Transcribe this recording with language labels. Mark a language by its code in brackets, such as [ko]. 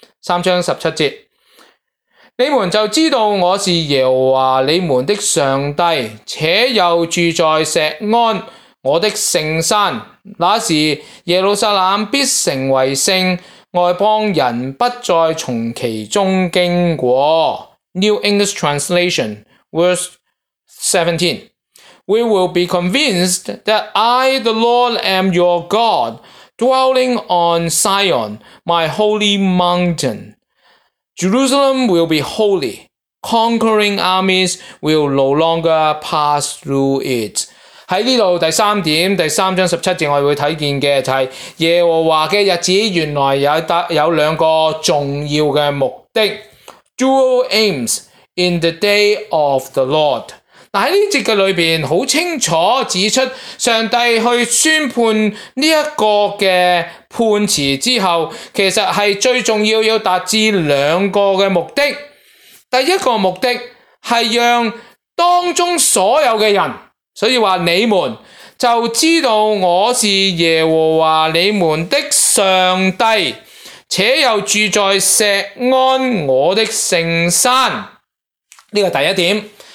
[zh] 三章十七节，你们就知道我是耶和华你们的上帝，且又住在锡安我的圣山，那时耶路撒冷必成为圣，外邦人不再从其中经过。 [en] New English Translation, verse 17. We will be convinced that I, the Lord, am your God, dwelling on Zion, my holy mountain. Jerusalem will be holy. Conquering armies will no longer pass through it. [zh] 在这里第三点第三章十七节我们会看见的就是耶和华的日子原来 有两个重要的目的 [en] Dual aims in the day of the Lord [zh] 在这节的里面很清楚指出上帝去宣判这个的判词之后其实是最重要要达至两个的目的第一个目的是让当中所有的人所以说你们就知道我是耶和华你们的上帝且又住在锡安我的圣山。这个第一点。